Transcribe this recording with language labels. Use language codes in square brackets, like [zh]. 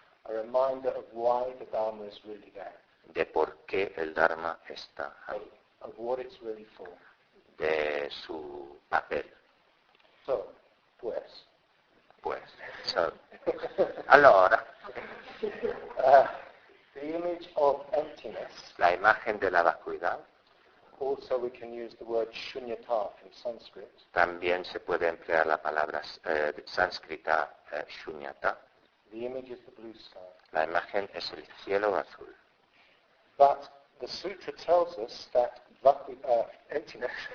[en] a reminder of why the Dharma is really there. [es] De por qué el Dharma está ahí, [en] of what it's really for. [es] De su papel. So, pues. Pues. So, allora. [en] The image of emptiness. [es] La imagen de la vacuidad. [en] Also, we can use the word shunyata in Sanskrit. [es] También se puede emplear la palabra sánscrita shunyata. [en] The image is the blue sky. [es] La imagen es el cielo azul. [en] But the sutra tells us that emptiness.